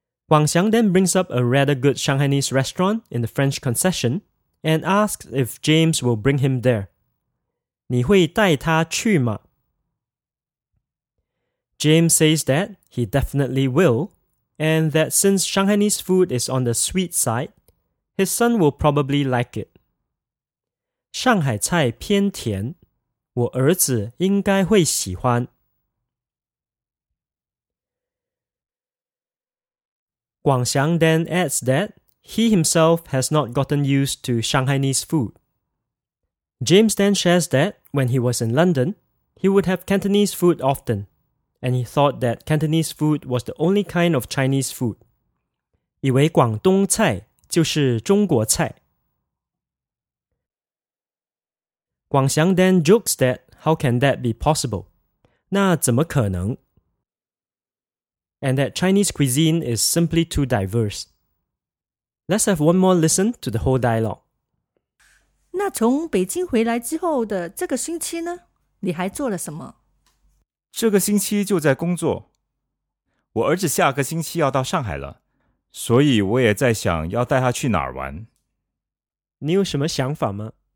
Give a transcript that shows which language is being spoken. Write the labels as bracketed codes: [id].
[en] Guang Xiang then brings up a rather good Shanghainese restaurant in the French concession and asks if James will bring him there. [zh] 你会带他去吗? [en] James says that he definitely will and that since Shanghainese food is on the sweet side,His son will probably like it. [zh] 上海菜偏甜,我儿子应该会喜欢。 [en] 广祥 then adds that he himself has not gotten used to Shanghainese food. James then shares that when he was in London, he would have Cantonese food often, and he thought that Cantonese food was the only kind of Chinese food. [zh] 以为广东菜就是中国菜。 [en] 广祥 then jokes that, how can that be possible? [zh] 那怎么可能? [en] and that Chinese cuisine is simply too diverse. Let's have one more listen to the whole dialogue. [zh] 那从北京回来之后的这个星期呢？你还做了什么？这个星期就在工作。我儿子下个星期要到上海了，所以我也在想要带他去哪儿玩。你有什么想法吗？